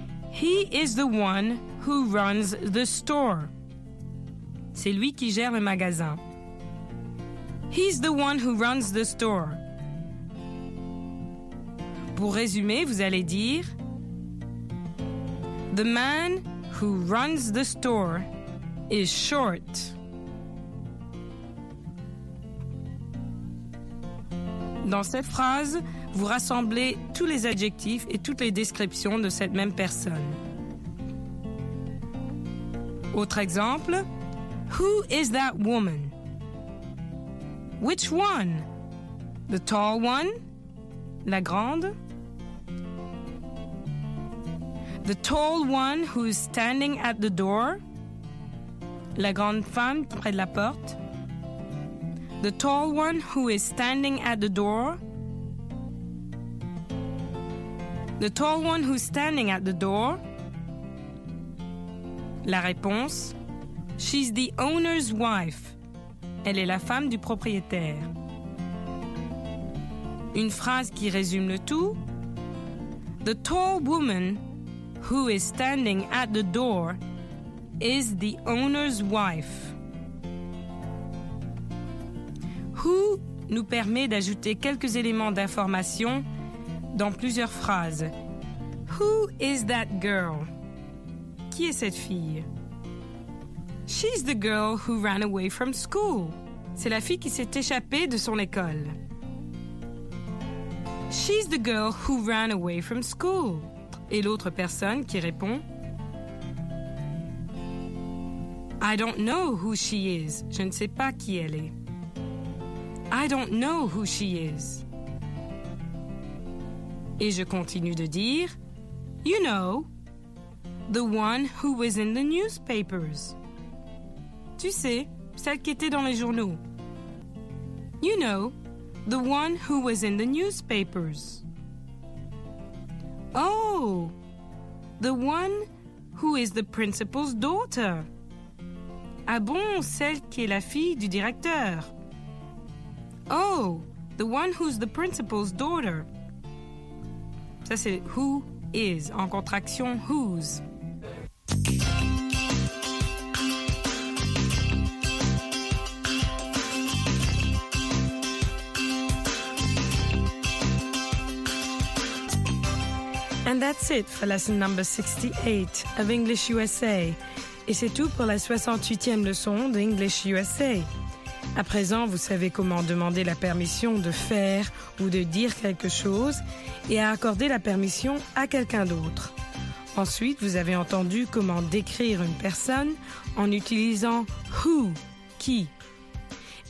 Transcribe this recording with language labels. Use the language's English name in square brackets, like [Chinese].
[English] He is the one who runs the store. [French] C'est lui qui gère le magasin. [English] He's the one who runs the store. [French] Pour résumer, vous allez dire [English] the man who runs the store is short. [French] Dans cette phrase, vous rassemblez tous les adjectifs et toutes les descriptions de cette même personne. Autre exemple, [English] who is that woman? Which one? The tall one? [French] La grande? [English] The tall one who is standing at the door? [French] La grande femme près de la porte? [English] The tall one who is standing at the door? The tall one who's standing at the door? [French] La réponse, [English] she's the owner's wife. [French] Elle est la femme du propriétaire. Une phrase qui résume le tout. [English] The tall woman who is standing at the door is the owner's wife. [French] Who nous permet d'ajouter quelques éléments d'information dans plusieurs phrases. [English] Who is that girl? [French] Qui est cette fille? [English] She's the girl who ran away from school. [French] C'est la fille qui s'est échappée de son école. [English] She's the girl who ran away from school. [French] Et l'autre personne qui répond. [English] I don't know who she is. [French] Je ne sais pas qui elle est. [English] I don't know who she is. [French] Et je continue de dire, [English] you know, the one who was in the newspapers. [French] Tu sais, celle qui était dans les journaux. [English] You know, the one who was in the newspapers. Oh, the one who is the principal's daughter. [French] Ah bon, celle qui est la fille du directeur. [English] Oh, the one who's the principal's daughter. [French] Ça, c'est [English] who is, [French] en contraction, [English] whose. And that's it for lesson number 68 of English USA. [French] Et c'est tout pour la 68e leçon d'English USA. À présent, vous savez comment demander la permission de faire ou de dire quelque chose et à accorder la permission à quelqu'un d'autre. Ensuite, vous avez entendu comment décrire une personne en utilisant « who », « qui ».